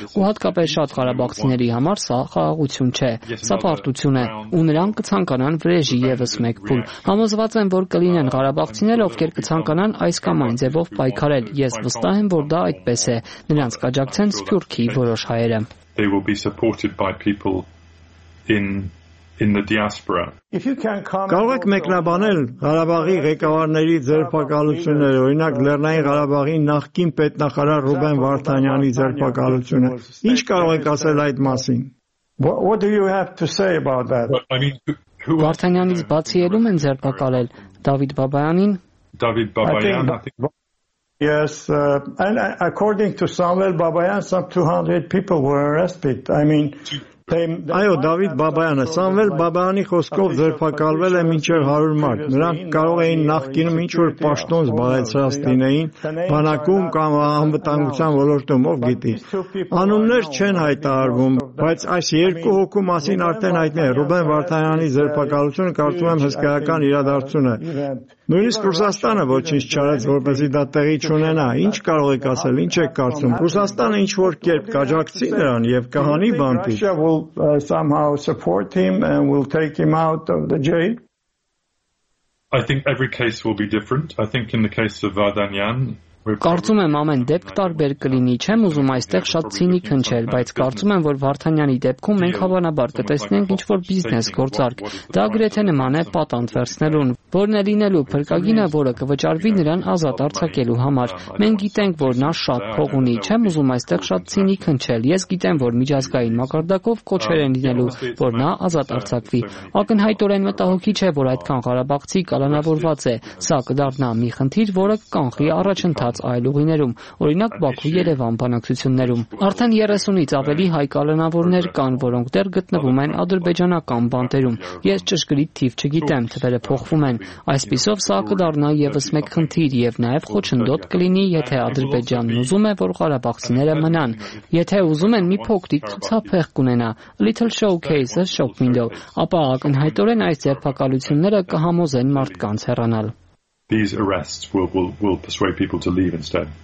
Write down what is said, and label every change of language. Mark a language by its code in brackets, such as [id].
[hy] ու հատկապես շատ ղարաբաղցիների համար սա խաղաղություն չէ, սա պարտություն է, ու նրանք կցանկանան վրեժի եւս մեկ փուլ։ Համոզված եմ, որ կլինեն ղարաբաղցիները, ովքեր կցանկանան այս կամ այն ձևով պայքարել։ Ես վստահ եմ, որ դա այդպես է, նրանց կաջակցեն Սփյուռքի որոշ հայերը։ [en] They will be supported by people in the diaspora. If you can come [hy] Կարող եք մեկնաբանել Ղարաբաղի ղեկավարների ձերբակալությունները, օրինակ Լեռնային Ղարաբաղի նախկին պետնախարար Ռուբեն Վարդանյանի ձերբակալությունը։ Ինչ կարող եք ասել այդ մասին։ [en] What do you have to say about that? I mean, who was the one who was the one who was the David Babayanin? David Babayan, I think. Yes, and according to Samuel Babayan, some 200 people were arrested. I mean... [hy] Այո, Դավիթ Բաբայանը, Սամվել Բաբայանի խոսքով ձերբակալվել է մինչև 100 մարդ։ Նրանք կարող էին նախկինում ինչ-որ պաշտոն զբաղեցրած լինեին բանակում կամ անվտանգության ոլորտում, ով գիտի։ Անուններ չեն հայտարարվում, բայց այս երկու հոգու մասին արդեն հայտնի է։ Ռուբեն Վարդանյանի ձերբակալությունը կարծում եմ հսկայական իրադարձություն է։ Նույնիսկ Ռուսաստանը ոչինչ չարեց, որպեսզի դա տեղի չունենա։ Ինչ կարող եք ասել, ինչ եք կարծում։ Ռուսաստանը ինչ-որ կերպ կաջակցի նրան և կհանի բանտի։ [en] Will somehow support him and will take him out of the jail? I think every case will be different. I think in the case of Vardanyan, [hy] կարծում եմ ամեն դեպք տարբեր կլինի, չեմ ուզում այստեղ շատ ցինիկ հնչել, բայց կարծում եմ, որ Վարդանյանի դեպքում մենք հավանաբար կտեսնենք ինչ-որ բիզնես գործարք, դա գրեթե նման է պատանդ վերցնելուն, որն է լինելու փրկագինը, որը կվճարվի նրան ազատ արձակելու համար, մենք գիտենք, որ նա շատ փող ունի, չեմ ուզում այստեղ շատ ցինիկ հնչել, ես գիտեմ, որ միջազգային մակարդակով կոչեր են լինելու, որ նա ազատ արձակվի, ակնհայտորեն մտահոգիչ է, որ այդքան Ղարաբաղցի կալանավորված է, սա կդառնա մի խնդիր, որը կանխի առաջընթաց այլ ուղիներում, օրինակ Բաքու Երևան բանակցություններում։ Արդեն 30-ից ավելի հայ կալանավորներ կան, որոնք դեռ գտնվում են ադրբեջանական բանտերում։ Ես ճշգրիտ թիվ չգիտեմ, թվերը փոխվում են։ Այսպիսով սա կդառնա եւս մեկ խնդիր եւ նաեւ խոչընդոտ կլինի, եթե Ադրբեջանն ուզում է, որ Ղարաբաղցիները մնան, եթե ուզում են մի փոքրիկ ցուցափեղ կունենա, [en] little showcase, shop window, [hy] ապա ակնհայտորեն այս ձերբակալությունները կհամոզեն մարդկանց հեռանալ։ [en] These arrests will persuade people to leave instead.